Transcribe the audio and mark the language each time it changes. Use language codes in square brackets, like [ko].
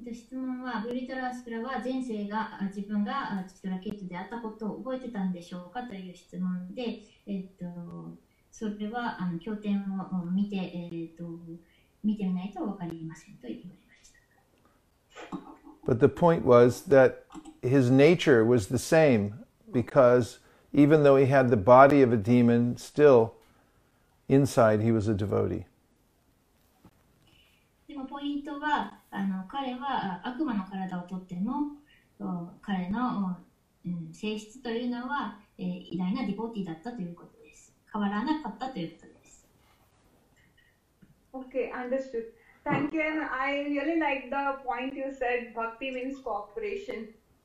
[en] But the point was that his nature was the same because even though he had the body of a demon, still inside he was a devotee. [ja] ポイントは、彼は悪魔の体をとっても、彼の、性質というのは、偉大なディボティだったということです。変わらなかったということです。 [en] Okay, understood. Thank you. And I really like the point you said, bhakti means cooperation.